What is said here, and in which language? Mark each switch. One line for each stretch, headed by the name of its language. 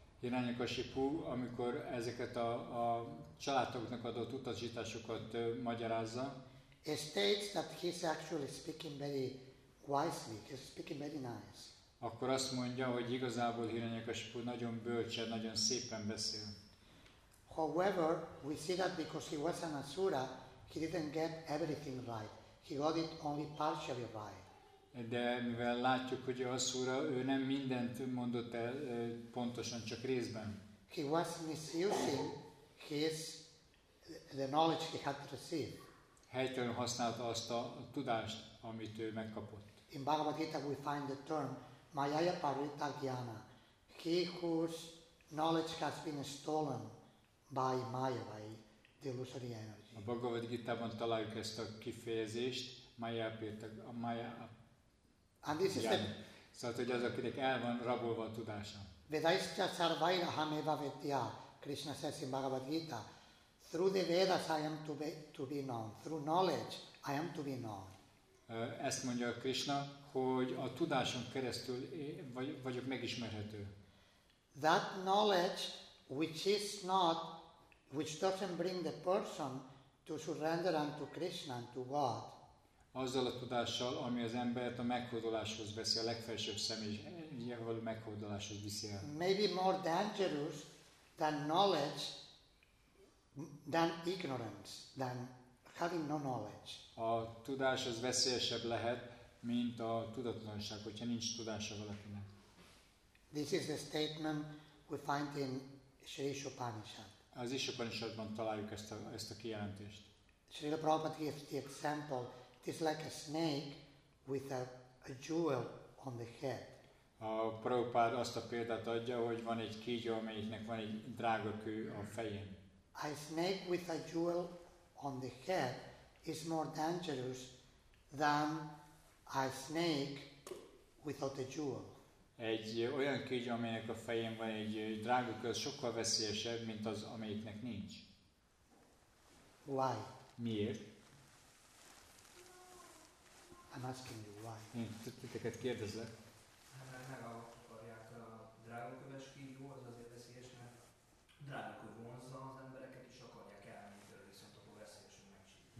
Hungarian: Hiranyakashipu, amikor ezeket a családtagoknak adott utasításokat magyarázza,
English: he states that he's actually speaking very wisely, he's speaking very nice.
Hungarian: Akkor azt mondja, hogy igazából Hiranyakashipu nagyon bölcsen, nagyon szépen beszél.
English: However, we see that because he was an asura, he didn't get everything right. He got it only partially right.
Hungarian: De mivel látjuk, hogy asura, ő nem mindent mondott el pontosan, csak részben.
English: He was misusing the knowledge he had received.
Hungarian: Helytelenül használta azt a tudást, amit ő megkapott.
English: In Bhagavad Gita we find the term Mayaya Parita Jnana. He whose knowledge has been stolen by Maya, by the illusory energy.
Hungarian: A Bhagavad Gita-ban találjuk ezt a kifejezést, Maya Parita, a Maya.
English: And this is it.
Hungarian: Szóval, hogy az, akinek el van rabolva a tudása.
Sanskrit: Vedaischa sarvairaham eva vetya,
English: Krishna says in Bhagavad Gita, through the Vedas I am to be known, through knowledge I am to be known.
Hungarian: Ezt mondja Krishna, hogy a tudáson keresztül vagyok megismerhető.
English: That knowledge which is not, which doesn't bring the person to surrender unto Krishna, to God.
Hungarian: Azzal a tudással, ami az embert a meghódoláshoz veszi, a legfelsőbb személyhez való meghódoláshoz viszi el.
English: Maybe more dangerous than knowledge, than ignorance, than having no knowledge.
Hungarian: A tudás az veszélyesebb lehet, mint a tudatlanság, hogyha nincs tudása valakinek.
English: This is the statement we find in Sri Upanishad.
Hungarian: Az Upanishadban találjuk ezt a kijelentést.
English: Sri Prabhupada gives the example, it is like a snake with a jewel on the head.
Hungarian: A Prabhupada azt a példát adja, hogy van egy kígyó, amelyiknek van egy drága kő a fején.
English: A snake with a jewel on the head is more dangerous than a snake without a jewel.
Hungarian: Egy olyan kígyó, amelynek a fején van egy drága kő, sokkal veszélyesebb, mint az, amelyiknek nincs.
English: Why?
Hungarian: Miért?
English: I'm asking you why.
Hungarian: Én titeket kérdezlek. Mert megakarják a drága köves kígyó, az azért veszélyes, mert drága kő vonzza az embereket, és akarják elmenni, viszont akkor veszélyes, hogy megcsinálják.